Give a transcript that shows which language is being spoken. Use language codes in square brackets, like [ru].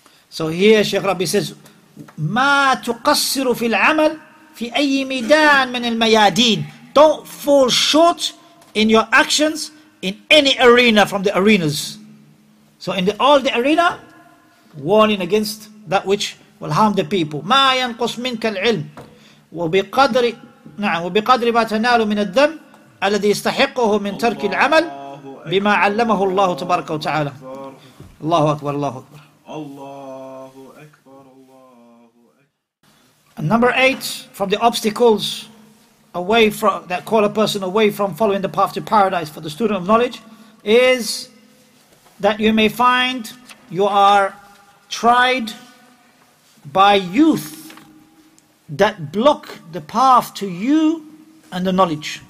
[en] So here Shaykh Rabbi says, [ar] مَا تُقَصِّرُ فِي الْعَمَلِ في أي ميدان من الميادين. [en] Don't fall short in your actions in any arena from the arenas. So in all the arena, warning against that which will harm the people. [ar] ما ينقص منك العلم وبقدر نعم وبقدر ما تنال من الدم الذي يستحقه من ترك العمل بما علمه الله تبارك وتعالى الله أكبر الله أكبر الله أكبر الله أكبر [en] Number 8 from the obstacles away from that call a person away from following the path to paradise for the student of knowledge is that you may find you are tried by youth that block the path to you and the knowledge.